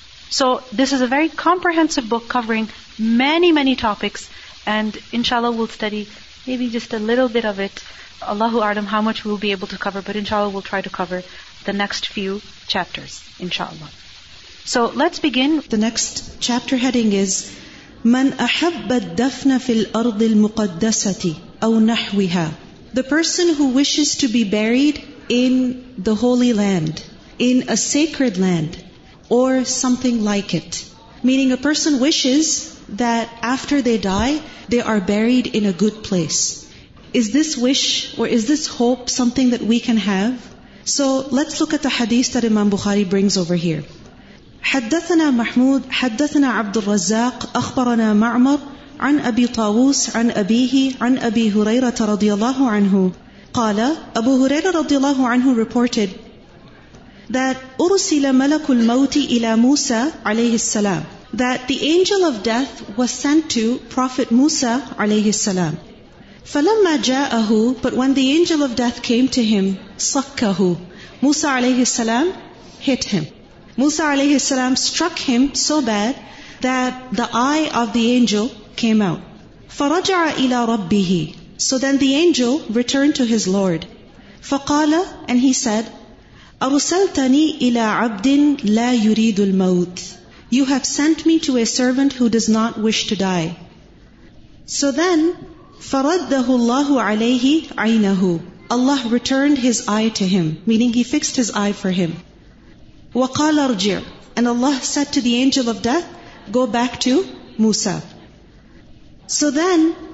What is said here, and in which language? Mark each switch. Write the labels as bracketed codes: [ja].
[en] So this is a very comprehensive book covering many, many topics, and inshallah we'll study maybe just a little bit of it. Allahu a'lam how much we'll be able to cover, but inshallah we'll try to cover the next few chapters, inshallah. So let's begin. The next chapter heading is [ar] Man أحب الدفن في الأرض المقدسة أو نحوها. [en] The person who wishes to be buried in the holy land, in a sacred land, or something like it. Meaning a person wishes that after they die, they are buried in a good place. Is this wish or is this hope something that we can have? So let's look at the hadith that Imam Bukhari brings over here. [ar] حدثنا محمود حدثنا عبد الرزاق أخبرنا معمر عن أبي طاووس عن أبيه عن أبي هريرة رضي الله عنه قال أبو هريرة رضي الله عنه [en] reported that [ar] أرسل ملك الموت إلى موسى عليه السلام, [en] that the angel of death was sent to Prophet Musa [ar] عليه السلام. فلما جاءه, [en] but when the angel of death came to him, [ar] صكه, [en] Musa alayhi salam hit him. Musa alayhi salam struck him so bad that the eye of the angel came out. [ar] فرجع إلى ربه. [en] So then the angel returned to his Lord. [ar] فقال, [en] and he said, [ar] أرسلتني إلى عبد لا يريد الموت. [en] You have sent me to a servant who does not wish to die. So then, [ar] فَرَدَّهُ اللَّهُ عَلَيْهِ عَيْنَهُ. [en] Allah returned his eye to him, meaning he fixed his eye for him. [ar] وَقَالَ ارْجِعْ. [en] And Allah said to the angel of death, go back to Musa. So then,